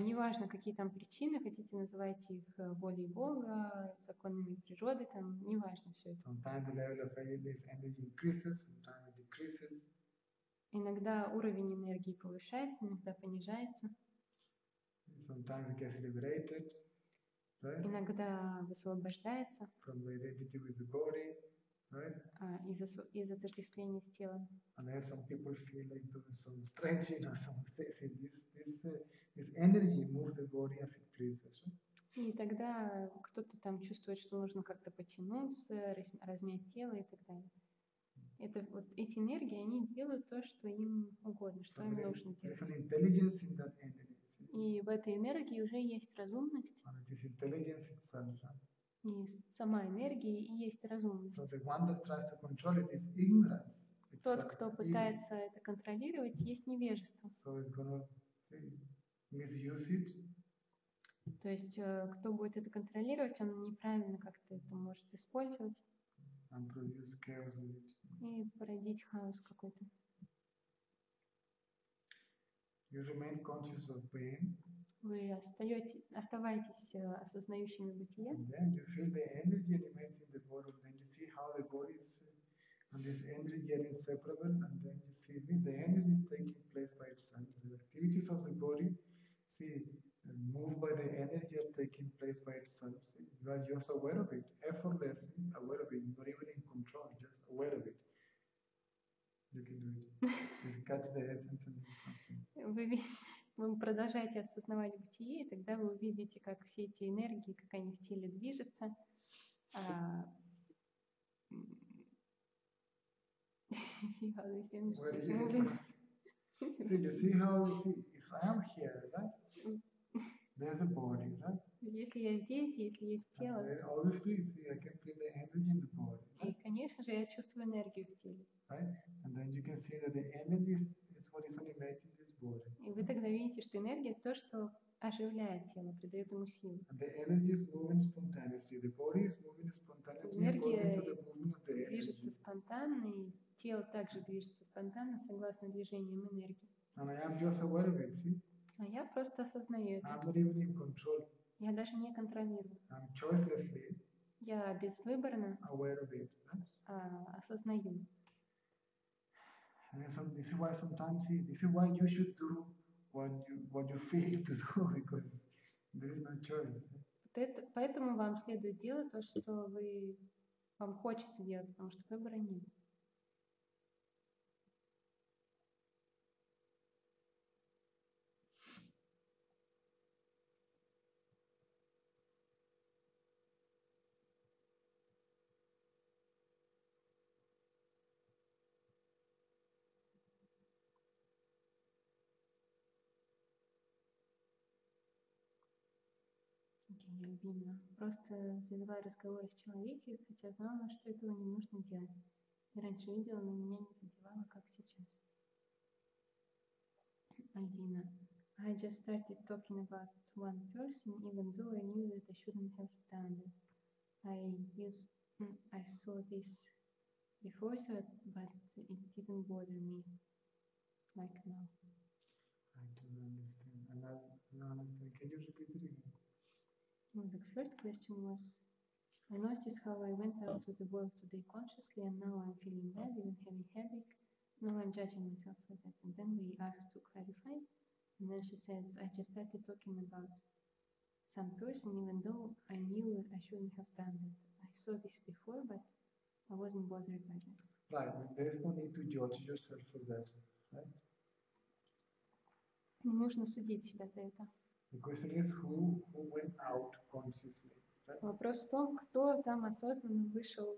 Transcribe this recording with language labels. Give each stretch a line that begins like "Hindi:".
Russian: Неважно, какие там причины, хотите называйте их волей Бога, законами природы, там неважно все это.
English: Sometimes the level of energy increases, sometimes it decreases.
Russian: Иногда уровень энергии повышается, иногда понижается.
English: And sometimes it gets liberated, right?
Russian: Иногда высвобождается.
English: From the identity with the body, right?
Russian: Из отождествления с телом.
English: And then some people feel like doing some stretching or some things. This energy moves the body as it pleases.
Russian: И тогда кто-то там чувствует, что нужно как-то потянуться, размять тело и так далее. Это вот эти энергии, они делают то, что им угодно, что им нужно делать.
English: There's an intelligence in that energy.
Russian: И в этой энергии уже есть разумность.
English: And it is intelligence itself.
Russian: И сама энергия и есть разумность.
English: So the one that tries to control it is ignorance. It's
Russian: тот, кто пытается это контролировать, есть невежество.
English: So it's gonna, see, misuse it.
Russian: То есть кто будет это контролировать, он неправильно как-то это может использовать.
English: And produce chaos with it.
Russian: И породить хаос какой-то.
English: You remain conscious of pain.
Russian: Вы оставаетесь осознающими бытие.
English: Then you feel the energy animates in the body. Then you see how the body is, and this energy are inseparable. And then you see the energy is taking place by itself. The activities of the body, see, moved by the energy are taking place by itself. See, you are just aware of it, effortlessly aware of it, not even in control, just aware of it. You can do it. Just catch the essence and become.
Russian: Вы продолжаете осознавать бытие, и тогда вы увидите, как все эти энергии, как они в теле движутся.
English: See how this energy moves. See, you see how you see. If I am here, right? There's a body, right?
Russian: Если я здесь, если есть тело.
English: And obviously, see, I can feel the energy in the body. Right?
Russian: И, конечно же, я чувствую энергию в теле.
English: Right? And then you can see that the energy is what is animating this body.
Russian: И вы тогда видите, что энергия то, что оживляет тело, придает ему силу.
English: And the energy is moving spontaneously. The body is moving spontaneously.
Russian: Энергия движется спонтанно, и тело также движется спонтанно, согласно движениям энергии.
English: And I am just aware of it, see?
Russian: А я просто осознаю это.
English: I'm not even in control.
Russian: Я даже не контролирую.
English: I'm choicelessly.
Russian: Я безвыборно.
English: Aware of it, right?
Russian: Осознаю.
English: And some, this is why sometimes, see, this is why you should do what you feel to do, because there is no choice.
Russian: Поэтому вам следует делать то, что вам хочется делать, потому что выбора нет. Я просто завела разговор с человеком, хотя знала, что этого не нужно делать. И раньше видела, но меня не задевало, как сейчас.
English: Alvina, I just started talking about one person, even though I knew that I shouldn't have done it. I saw this before, so, but it didn't bother me like now. I don't understand. I don't understand. Can you repeat it again? Well, the first question was, I noticed how I went out to the world today consciously, and now I'm feeling bad, even having headache. Now I'm judging myself for that. And then we asked to clarify, and then she says, I just started talking about some person, even though I knew I shouldn't have done that. I saw this before, but I wasn't bothered by that. Right, but there's no need to judge yourself for that, right?
Russian: Не нужно судить себя за это.
English: The question is, who went out consciously?
Russian: Вопрос в том, кто там осознанно вышел